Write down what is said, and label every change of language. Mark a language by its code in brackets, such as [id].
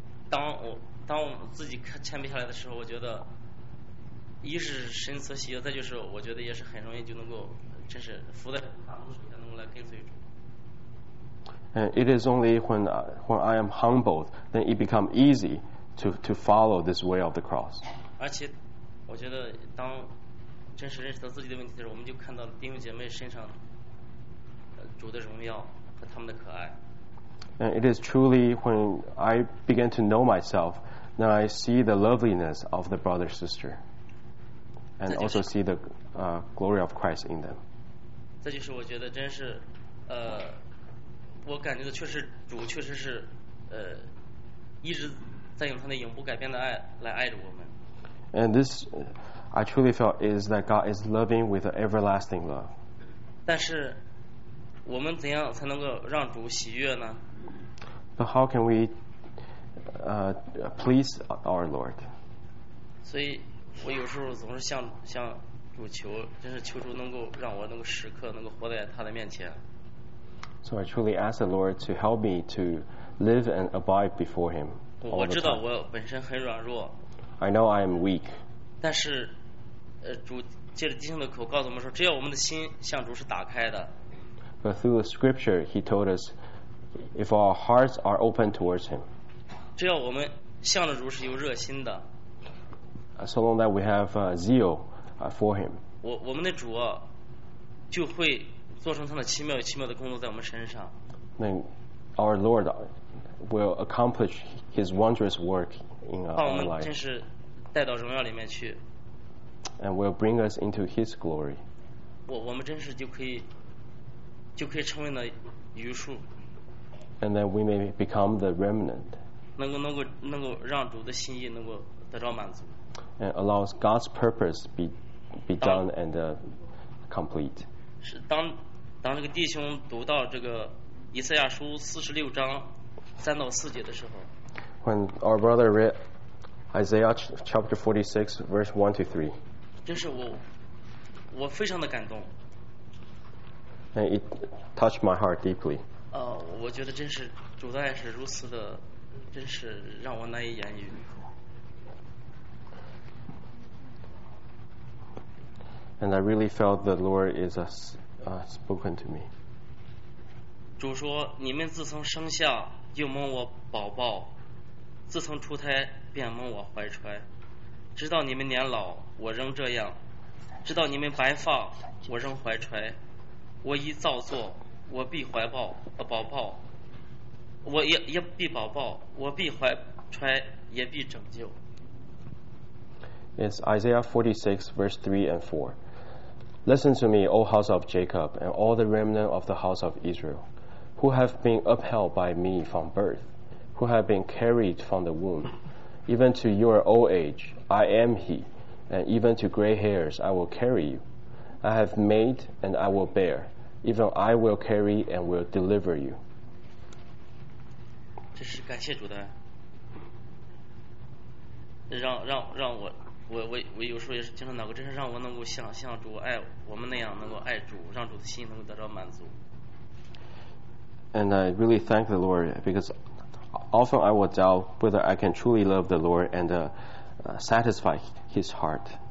[zh] 当我自己谦卑下来的时候，我觉得一是神所喜悦，再就是我觉得也是很容易就能够真是服在主下，能够来跟随主。 [en] And it is only when I am humbled, then it becomes easy to follow this way of the cross. [zh] 而且我觉得当真实认识到自己的问题的时候，我们就看到弟兄姐妹身上主的荣耀和他们的可爱。 [en] And it is truly when I begin to know myself, then I see the loveliness of the brother sister, and also see the glory of Christ in them. [zh] 这就是我觉得真是我感觉的确实主确实是一直在用他的永不改变的爱来爱着我们。 [en] And this, I truly felt, is that God is loving with an everlasting love. [zh] 但是我们怎样才能够让主喜悦呢？ [en] But how can we please our Lord? [zh] 所以我有时候总是向主求，真是求主能够让我能够时刻能够活在他的面前。 [en] So I truly ask the Lord to help me to live and abide before Him. [zh] 我知道我本身很软弱。 [en] I know I am weak. [zh] 但是，主借着弟兄的口告诉我们说，只要我们的心向主是打开的。 [en] But through the scripture, he told us, if our hearts are open towards him. [zh] 只要我们向着主是有热心的。 [en] So long that we have zeal for him. [zh] 我们的主啊，就会做成他的奇妙与奇妙的工作在我们身上。 [en] Then our Lord will accomplish his wondrous work. [zh] 把我们真是带到荣耀里面去 [en] ，and will bring us into His glory. [zh] 我们真是就可以成为那余数 [en] ，and then we may become the remnant. [zh] 能够让主的心意能够得到满足 [en] ，and allows God's purpose be done and complete. [zh] 是当这个弟兄读到这个以赛亚书46:3-4的时候。 [en] When our brother read Isaiah chapter 46, verse 1-3, [zh] 真是我非常的感动。 [en] And it touched my heart deeply. [zh] 我觉得真是主的爱是如此的，真是让我难以言喻。 [en] And I really felt the Lord is spoken to me. [zh] 主说：“你们自从生下就蒙我宝宝。” 自从出胎便蒙我怀揣，直到你们年老，我仍这样；直到你们白发，我仍怀揣。我一造作，我必怀抱，宝宝；我也必宝宝，我必怀揣，也必拯救。 [en] It's Isaiah 46:3-4. Listen to me, O house of Jacob, and all the remnant of the house of Israel, who have been upheld by me from birth. Who have been carried from the womb, even to your old age, I am He, and even to gray hairs, I will carry you. I have made and I will bear, even I will carry and will deliver you. [zh] 这是感谢主的，让我有时候也是经常祷告，真是让我能够像主爱我们那样，能够爱主，让主的心能够得到满足。 [en] And I really thank the Lord because. often I will doubt whether I can truly love the Lord and satisfy His heart.